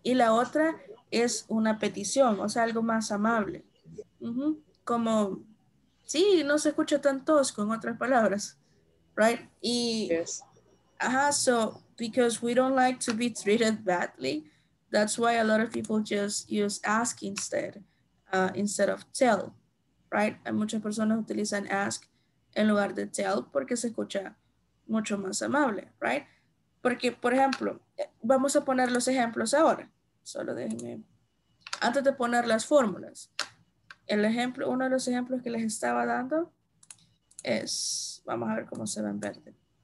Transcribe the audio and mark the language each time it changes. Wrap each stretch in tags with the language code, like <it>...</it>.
<es>Y la otra es una petición, o sea, algo más amable. Uh-huh. Como, sí, no se escucha tan tosco, en otras palabras.</es> <en>Right? Y, yes. Ajá, so, because we don't like to be treated badly, that's why a lot of people just use ask instead of tell, right?</en> <es>Hay muchas personas utilizan ask en lugar de tell porque se escucha mucho más amable, right? Porque, por ejemplo, vamos a poner los ejemplos ahora. Solo déjenme, antes de poner las fórmulas. El ejemplo, uno de los ejemplos que les estaba dando es, vamos a ver cómo se ve en verde.</es>